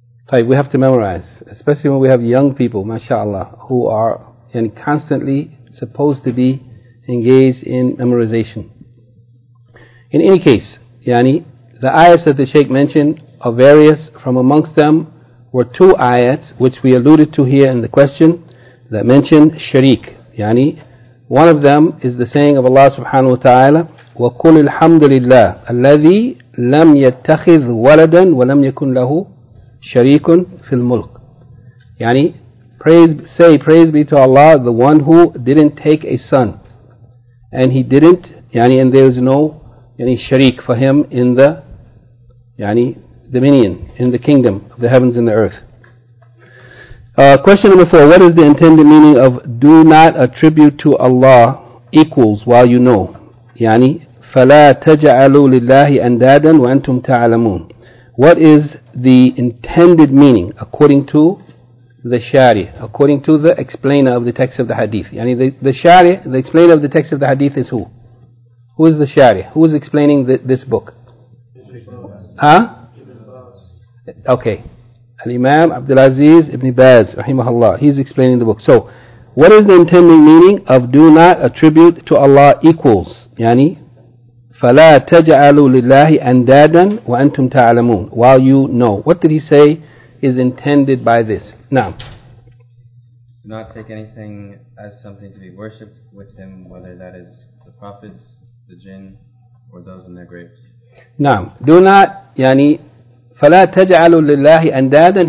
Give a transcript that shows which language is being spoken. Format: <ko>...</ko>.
<en>We have to memorize. Especially when we have young people, mashallah, who are constantly supposed to be engaged in memorization. In any case, the ayats that the Shaykh mentioned are various. From amongst them were two ayats, which we alluded to here in the question, that mention sharik. One of them is the saying of Allah</en> <ar>subhanahu wa ta'ala, وَقُلِ الْحَمْدُ لِلَّهِ الَّذِي لَمْ يَتَّخِذْ وَلَدًا وَلَمْ يَكُنْ لَهُ شَرِيكٌ فِي الْمُلْكِ.</ar> <en>Praise be to Allah, the one who didn't take a son. And he didn't, and there is no sharik for him in the dominion, in the kingdom of the heavens and the earth. Question number four, what is the intended meaning of do not attribute to Allah equals while you know?</en> <ar>Yani, فَلَا تَجْعَلُوا لِلَّهِ أَنْدَادًا وَأَنْتُمْ تَعْلَمُونَ.</ar> <en>What is the intended meaning according to the Shari, according to the explainer of the text of the Hadith? Yani the Shari, the explainer of the text of the Hadith is who? Who is the Shari? Who is explaining this book? Huh? Okay. Al-Imam Abdulaziz Ibn Baz, rahimahullah, he's explaining the book. So, what is the intended meaning of do not attribute to Allah equals?</en> <ar>Yani, فَلَا تَجْعَلُوا لِلَّهِ أَنْدَادًا وَأَنْتُمْ تَعْلَمُونَ.</ar> <en>While you know. What did he say is intended by this? Now. Do not take anything as something to be worshipped with him, whether that is the prophets, the jinn, or those in their graves. Now, do not,</en> <ar>yani, فَلَا تَجْعَلُوا لِلَّهِ أَنْدَادًا.</ar>